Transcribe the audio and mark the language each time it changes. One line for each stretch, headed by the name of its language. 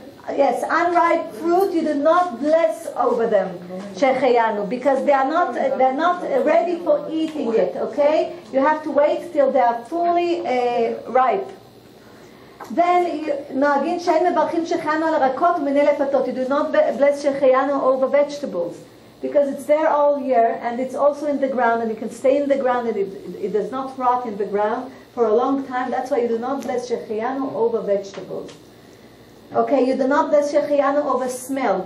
English: Yes, unripe fruit, you do not bless over them, Shehechiyanu, because they are not ready for eating it, okay? You have to wait till they are fully ripe.
Hebrew: Then, נוהגים שאין מברכים שחיינו על הרקות ומיני לפתות.
English: You do not bless Shehechiyanu over vegetables, because it's there all year, and it's also in the ground, and it can stay in the ground, and it does not rot in the ground for a long time. That's why you do not bless Shehechiyanu over vegetables. Okay, you do not bless Shehechiyanu over smell.